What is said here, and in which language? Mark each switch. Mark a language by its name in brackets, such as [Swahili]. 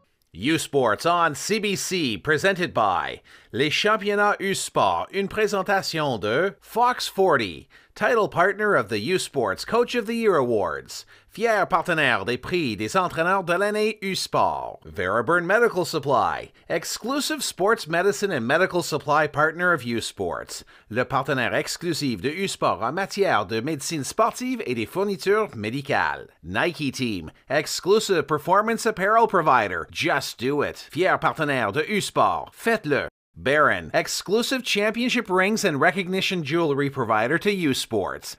[English] U Sports on CBC, presented by Les Championnats U Sport, [French] une présentation de Fox 40. [English] Title partner of the U Sports Coach of the Year Awards. [French] Fier partenaire des prix des entraîneurs de l'année U Sport. [English] Veriburn Medical Supply. Exclusive sports medicine and medical supply partner of U Sports. [French] Le partenaire exclusif de U Sport en matière de médecine sportive et des fournitures médicales. [English] Nike Team. Exclusive performance apparel provider. Just do it. [French] Fier partenaire de U Sport. Faites-le. [English] Baron, exclusive championship rings and recognition jewelry provider to U Sports.